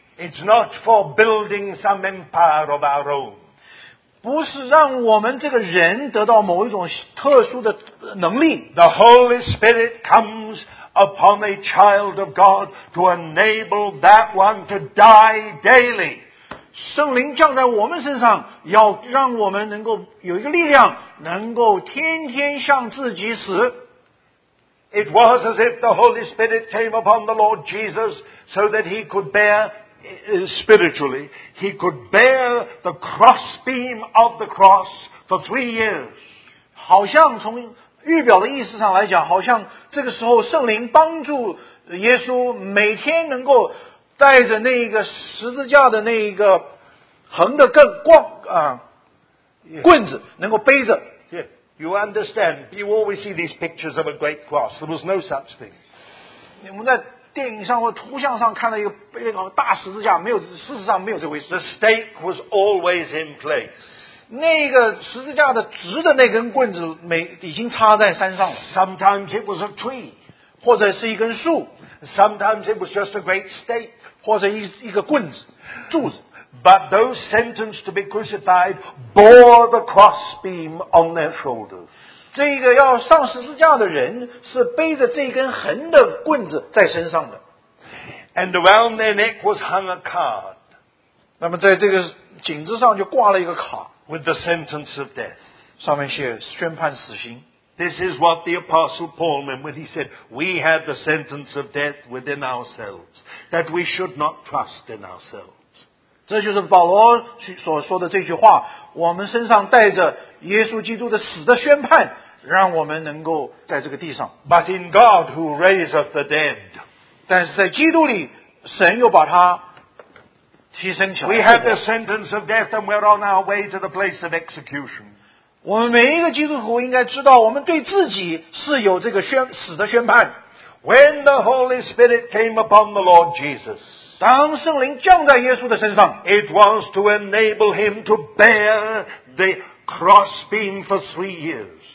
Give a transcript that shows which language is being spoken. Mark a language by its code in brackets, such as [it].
[en] It's not for building some empire of our own. [zh] 不是让我们这个人得到某一种特殊的能力。 [en] The Holy Spirit comes upon a child of God to enable that one to die daily. [zh] 圣灵降在我们身上，要让我们能够有一个力量，能够天天向自己死。 [en] It was as if the Holy Spirit came upon the Lord Jesus so that he could bear. Spiritually, he could bear the cross beam of the cross for 3 years. [zh] 好像从预表的意思上来讲，好像这个时候圣灵帮助耶稣每天能够带着那一个十字架的那一个横的更光啊棍子能够背着。 [en] Yeah. You understand? You always see these pictures of a great cross. There was no such thing. [zh] 你们在电影上或图像上看到一个大十字架，没有，事实上没有这回事。 [en] The stake was always in place. [zh] 那个十字架的直的那根棍子已经插在山上了。 [en] Sometimes it was a tree, [zh] 或者是一根树。 [en] Sometimes it was just a great stake, [zh] 或者一个棍子，柱子。 [en] But those sentenced to be crucified bore the cross beam on their shoulders. [zh] 这个要上十字架的人是背着这根横的棍子在身上的。 [en] And around their neck was hung a card. [zh] 那么在这个颈子上就挂了一个卡。 [en] With the sentence of death. [zh] 上面写宣判死刑。 [en] This is what the Apostle Paul meant when he said, We have the sentence of death within ourselves, that we should not trust in ourselves. [zh] 这就是保罗所说的这句话，我们身上带着耶稣基督的死的宣判，让我们能够在这个地上。 [en] But in God who raiseth the dead, [zh] 但是在基督里，神又把他提升起来。 [en] We have the sentence of death, and we're on our way to the place of execution. [zh] 我们每一个基督徒应该知道，我们对自己是有这个死的宣判。 [en] When the Holy Spirit came upon the Lord Jesus, [zh] 当圣灵降在耶稣的身上 [en] ，it was to enable him to bear the cross beam for 3 years.